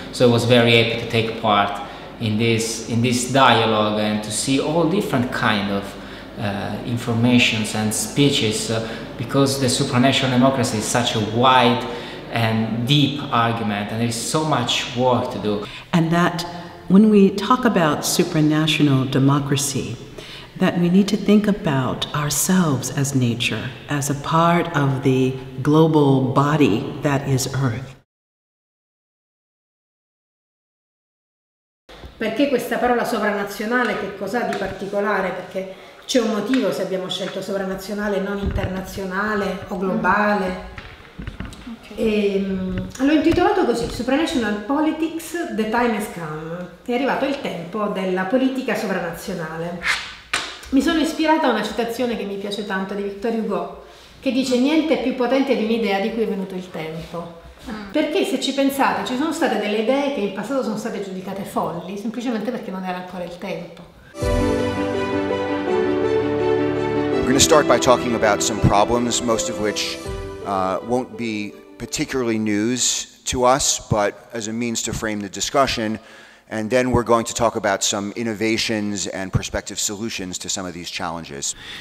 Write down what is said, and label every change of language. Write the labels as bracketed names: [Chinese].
[English] So I was very happy to take part in this dialogue and to see all different kind of informations and speeches, because the supranational democracy is such a wide and deep argument and there is so much work to do. And that when we talk about supranational democracy, that we need to think about ourselves as nature, as a part of the global body that is Earth. [Italian] Perché questa parola sovranazionale, che cos'ha di particolare? Perché c'è un motivo se abbiamo scelto sovranazionale, non internazionale o globale. Okay. L'ho intitolato così, [English] Supranational Politics, The Time Has Come. [Italian] È arrivato il tempo della politica sovranazionale. Mi sono ispirata a una citazione che mi piace tanto, di Victor Hugo, che dice: niente è più potente di un'idea di cui è venuto il tempo. Perché se ci pensate, ci sono state delle idee che in passato sono state giudicate folli, semplicemente perché non era ancora il tempo. [English] We're going to start by talking about some problems, most of which won't be particularly news to us, but as a means to frame the discussion, And then we're going to talk about some innovations and prospective solutions to some of these challenges.